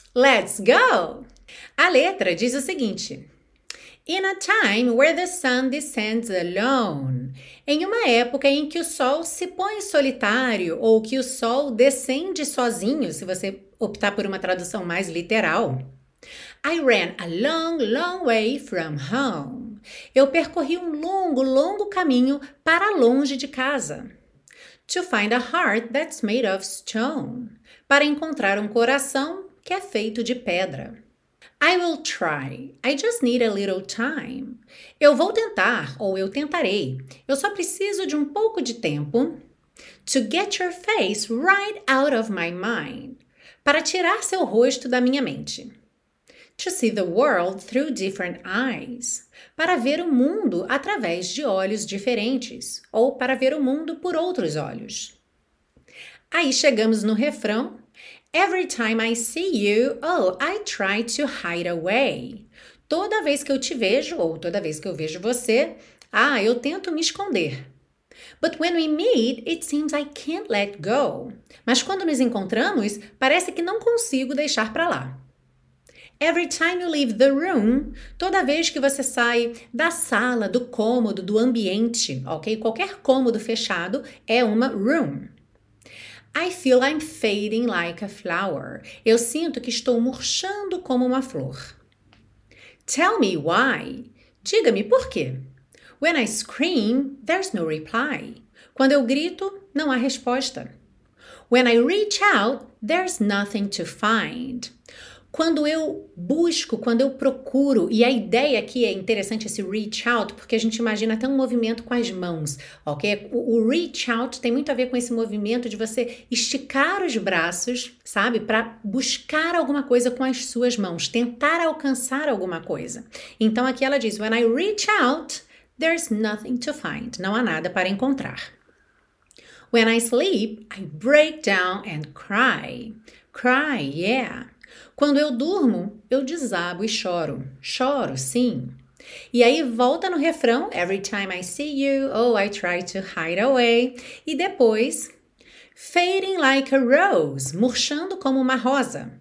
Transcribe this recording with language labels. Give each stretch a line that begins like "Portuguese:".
English: Let's go!
Portuguese: A letra diz o seguinte:
English: In a time where the sun descends alone.
Portuguese: Em uma época em que o sol se põe solitário ou que o sol descende sozinho, se você optar por uma tradução mais literal.
English: I ran a long, long way from home.
Portuguese: Eu percorri um longo, longo caminho para longe de casa.
English: To find a heart that's made of stone.
Portuguese: Para encontrar um coração que é feito de pedra.
English: I will try. I just need a little time.
Portuguese: Eu vou tentar, ou eu tentarei. Eu só preciso de um pouco de tempo.
English: To get your face right out of my mind.
Portuguese: Para tirar seu rosto da minha mente.
English: To see the world through different eyes.
Portuguese: Para ver o mundo através de olhos diferentes. Ou para ver o mundo por outros olhos. Aí chegamos no refrão.
English: Every time I see you, oh, I try to hide away.
Portuguese: Toda vez que eu te vejo, ou toda vez que eu vejo você, ah, eu tento me esconder.
English: But when we meet, it seems I can't let go.
Portuguese: Mas quando nos encontramos, parece que não consigo deixar para lá.
English: Every time you leave the room,
Portuguese: toda vez que você sai da sala, do cômodo, do ambiente, ok? Qualquer cômodo fechado é uma room.
English: I feel I'm fading like a flower.
Portuguese: Eu sinto que estou murchando como uma flor.
English: Tell me why.
Portuguese: Diga-me por quê.
English: When I scream, there's no reply.
Portuguese: Quando eu grito, não há resposta.
English: When I reach out, there's nothing to find.
Portuguese: Quando eu busco, quando eu procuro, e a ideia aqui é interessante esse reach out, porque a gente imagina até um movimento com as mãos, ok? O reach out tem muito a ver com esse movimento de você esticar os braços, sabe? Para buscar alguma coisa com as suas mãos, tentar alcançar alguma coisa. Então aqui ela diz:
English: When I reach out, there's nothing to find.
Portuguese: Não há nada para encontrar.
English: When I sleep, I break down and cry. Cry, yeah.
Portuguese: Quando eu durmo, eu desabo e choro. Choro, sim. E aí volta no refrão:
English: Every time I see you, oh, I try to hide away.
Portuguese: E depois,
English: fading like a rose,
Portuguese: murchando como uma rosa.